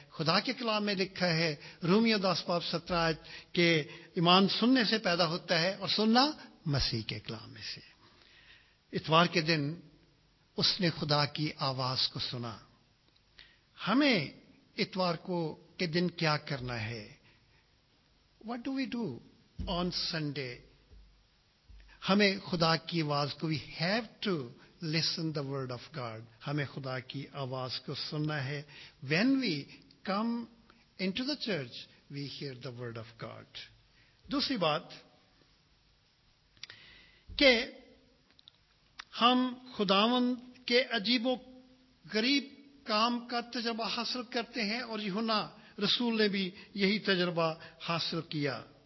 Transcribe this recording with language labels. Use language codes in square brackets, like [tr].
[ur] خدا کے کلام میں لکھا ہے رومیو داس باب 17 کہ ایمان سننے سے پیدا ہوتا ہے، اور سننا مسیح کے کلام میں سے. اتوار کے دن اس نے خدا کی آواز کو سنا. ہمیں اتوار کو کے دن کیا کرنا ہے؟ [en] What do we do on Sunday? [ur] ہمیں خدا کی آواز کو [en] we have to listen the word of God. [ur] ہمیں خدا کی آواز کو سننا ہے. [en] When we come into the church, we hear the word of God. [ur] دوسری بات کہ ہم خداوند کے عجیب و غریب کام کا تجربہ حاصل کرتے ہیں، اور یوحنا رسول نے بھی یہی تجربہ حاصل کیا.